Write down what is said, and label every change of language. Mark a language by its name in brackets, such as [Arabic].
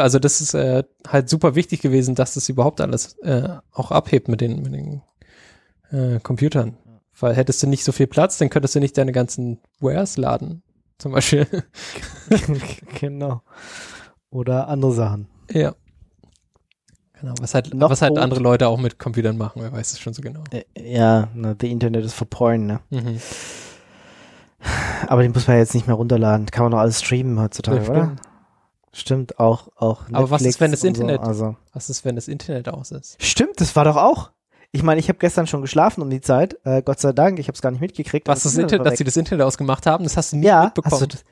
[German] Also das ist halt super wichtig gewesen, dass das überhaupt alles auch abhebt mit den Computern. Weil hättest du nicht so viel Platz, dann könntest du nicht deine ganzen Wares laden. Zum Beispiel. Genau. Oder andere Sachen. Ja. Genau, was halt andere Leute auch mit Computern machen, wer weiß es schon so genau. [English] The Internet is for porn, ne? Mhm. [German] Aber den muss man ja jetzt nicht mehr runterladen. Kann man doch alles streamen heutzutage, oder? Stimmt, auch Netflix. Aber was ist, wenn das Internet, so, also. Was ist, wenn das Internet aus ist? Stimmt, das war doch auch. Ich meine, ich habe gestern schon geschlafen um die Zeit. Gott sei Dank, ich habe es gar nicht mitgekriegt. Was ist Internet, dass sie das Internet ausgemacht haben? Das hast du nicht mitbekommen.